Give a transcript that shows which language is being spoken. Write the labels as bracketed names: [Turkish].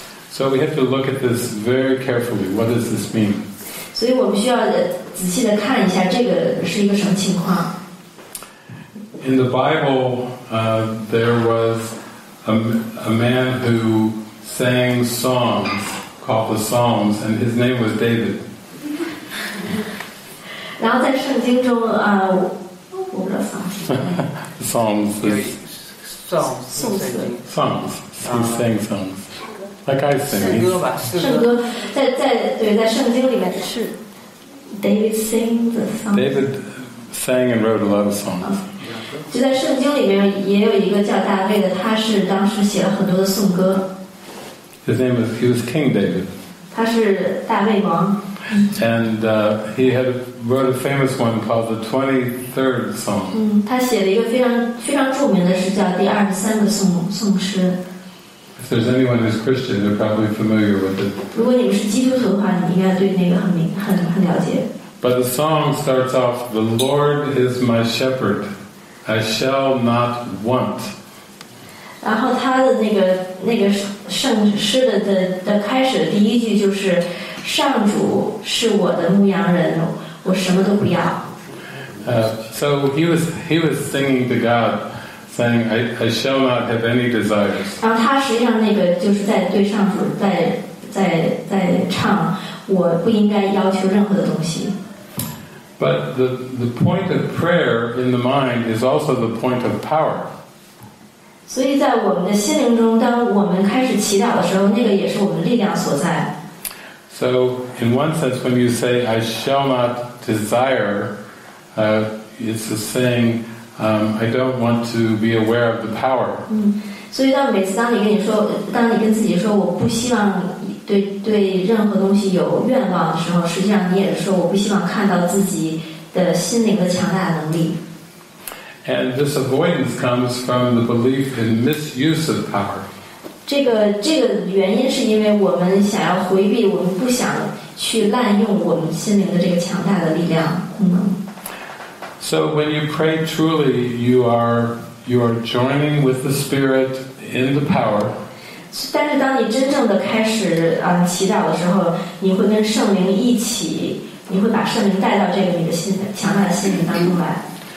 [English] So we have to look at this very carefully. What does this mean? [Chinese] 所以我们需要仔细的看一下这个是一个什么情况。 [English] In the Bible, there was a man who sang songs called the Psalms, and his name was David. [Chinese] 然后在圣经中，我不知道 [English] Psalms。 Psalms. Songs. Songs. He sang songs. Like I sing. [Chinese] 圣歌吧，圣歌在圣经里面是 [English] David sang the songs. David sang and wrote a lot of songs. [Chinese] 就在圣经里面也有一个叫大卫的，他是当时写了很多的颂歌。 [English] His name was, he was King David. [Chinese] 他是大卫王。 [English] And he had wrote a famous one called the 23rd Psalm. [Chinese] 他写了一个非常非常著名的是叫第二十三个颂诗。 [English] If there's anyone who's Christian, they're probably familiar with it. [Chinese] 如果你们是基督徒的话，你应该对那个很了解。 [English] But the song starts off, "The Lord is my shepherd; I shall not want." [Chinese] 然后他的那个圣诗的开始第一句就是。上主是我的牧羊人，我什么都不要。 [English] So he was singing to God, saying, "I shall not have any desires." [Chinese] 然后他实际上那个就是在对上主在唱，我不应该要求任何的东西。 [English] But the point of prayer in the mind is also the point of power. [Chinese] 所以在我们的心灵中，当我们开始祈祷的时候，那个也是我们力量所在。 [English] So, in one sense, when you say, I shall not desire, it's a saying, I don't want to be aware of the power. [Chinese] 所以当每次当你跟自己说我不希望对任何东西有愿望的时候，实际上你也说我不希望看到自己的心灵的强大的能力。 [English] And this avoidance comes from the belief in misuse of power. [Chinese] 这个原因是因为我们想要回避，我们不想去滥用我们心灵的这个强大的力量功能。 [English] So when you pray truly, you are joining with the Spirit in the power. [Chinese] 但是当你真正的开始祈祷的时候，你会跟圣灵一起，你会把圣灵带到这个你的心强大的心灵当中来。